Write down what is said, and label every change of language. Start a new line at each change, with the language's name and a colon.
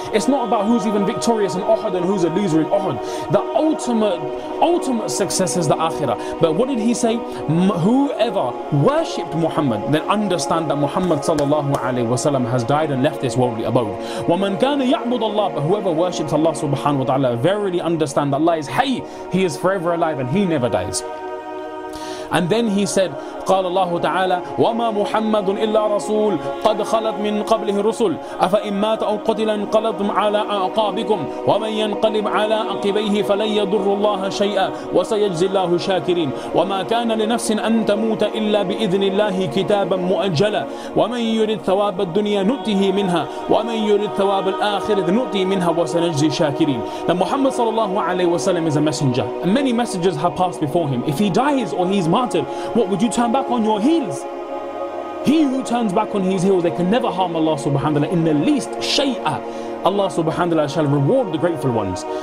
English: It's not about who's even victorious in Uhud and who's a loser in Uhud. The ultimate success is the Akhirah. But what did he say? Whoever worshipped Muhammad, then understand that Muhammad sallallahu alayhi wasallam has died and left this worldly abode.
Arabic: وَمَنْ كَانَ يَعْبُدُ اللَّهِ.
English: But whoever worships Allah subhanahu wa ta'ala, verily understand that Allah is hey, he is forever alive and he never dies. And then he said,
Arabic: قال الله تعالى وما محمد إلا رسول قد خلت من قبله رسل أفإن مات أو قتل انقلبتم على أعقابكم ومن ينقلب على عقبيه فلن يضر الله شيئا وسيجزي الله شاكرين وما كان لنفس أن تموت إلا بإذن الله كتابا مؤجلا ومن يرد ثواب الدنيا نؤته منها ومن يرد ثواب الآخرة نؤته منها وسنجزي شاكرين.
English: Now Muhammad
Arabic: صلى الله عليه وسلم
English: is a messenger, and many messengers have passed before him. If he dies or he's martyred, what would you turn back on your heels? He who turns back on his heels, they can never harm Allah subhanahu wa ta'ala in the least. Shay'a, Allah subhanahu wa ta'ala shall reward the grateful ones.